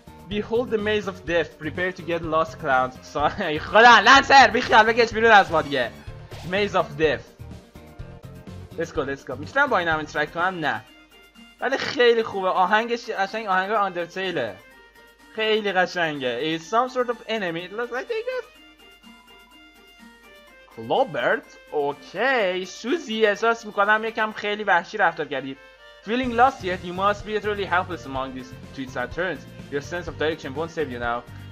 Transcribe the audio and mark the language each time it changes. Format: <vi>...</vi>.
<en>Behold the maze of death, prepare to get lost clowns.</en> <fa>سانه، خدا، لنسر، بیخیال بگش بیرون از ما دیگه.</fa> <en>Maze of death. Let's go.</en> <fa>میتونم با این هم انترکت کنم؟ نه. ولی خیلی خوبه، آهنگش قشنگ، آهنگ اندرتیله. خیلی قشنگه.</fa> <en>It's some sort of enemy, it looks like they got... Lobert?</en> <fa>Okay, Susie, احساس میکنم یکم خیلی وحشی رفتار کردی.</fa> <en>Feeling lost yet, you must be utterly helpless among these twists and turns. Your sense of direction won't save you now.</en>